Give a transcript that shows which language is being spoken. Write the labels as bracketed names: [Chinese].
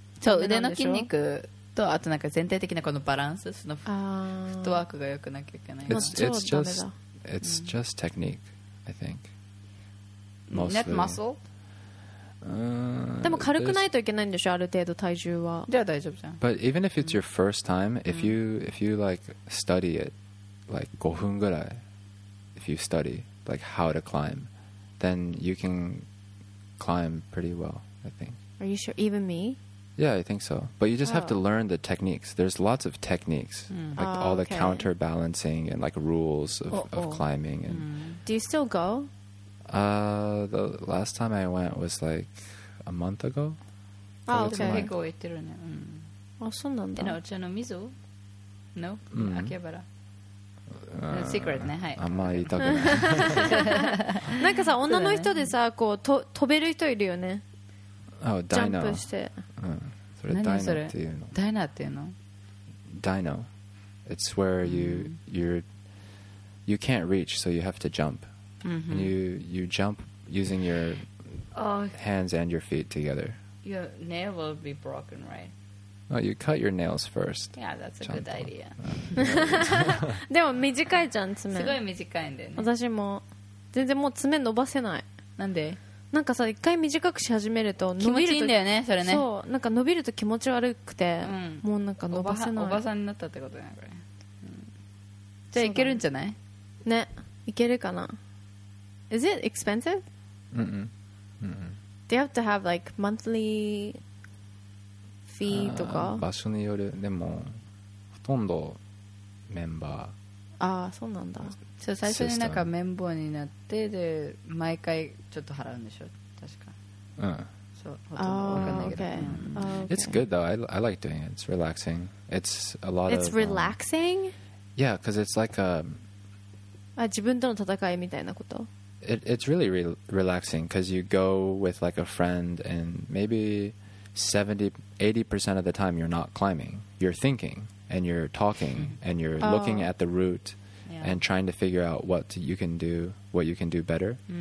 [Japanese] そう腕の筋肉とあとなんか全体的なこのバランスそのフットワークが良くなきゃいけない [English] It's just technique I think mostly net muscle [Japanese] でも軽くないといけないんでしょある程度体重はじゃあ大丈夫じゃん [English] But even if it's your first time if you, if you like study it like [Japanese] 5分ぐらい [English] if you study like how to climb then you can climb pretty well I think Are you sure? Even me? Yeah I think so But you just have to learn the techniques There's lots of techniques like all the counterbalancing and like rules of, of climbing and Do you still go? The last time I went was like a month ago. Oh, okay. [Japanese] 結構行ってるね。あ、そうなんだ。のうちの水を、no? 秋葉原。Secret ね、はい。あんま言いたくない。なんかさ、女の人でさ、こう飛べる人いるよね。 [English] Oh, [Japanese] ジャンプして。それダイナっていうの。ダイナっていうの。ダイナ。 [English] It's where you can't reach, so you have to jump. Mm-hmm. And you jump using your hands and your feet together. Your nail will be broken, right? No, you cut your nails first. Yeah, that's a good idea. [Japanese] でも短いじゃん爪。すごい短いんだよね。私も全然もう爪伸ばせない。なんで？なんかさ一回短くし始めると伸び気持ちいいんだよねそれね。そうなんか伸びると気持ち悪くて、もうなんか伸ばせない。おばさんになったってことねこれ。じゃあいけるんじゃない？ね、いけるかな。 [English] Is it expensive? Mm-mm. Mm-mm. Do you have to have like monthly fee とか? [Japanese] 場所による。でも、ほとんどメンバー。ああ、そうなんだ。そう、最初になんかメンバーになって、で、毎回ちょっと払うんでしょ、確か。うん。そう、ほとんど分かんないけど。 [English] Okay. It's good though. I like doing it. It's relaxing. It's a lot of... It's relaxing? Yeah, because it's like a... [Japanese] 自分との戦いみたいなこと? [English] It's really relaxing because you go with like a friend and maybe 80% of the time you're not climbing. You're thinking and you're talking and you're looking at the route and trying to figure out what you can do better.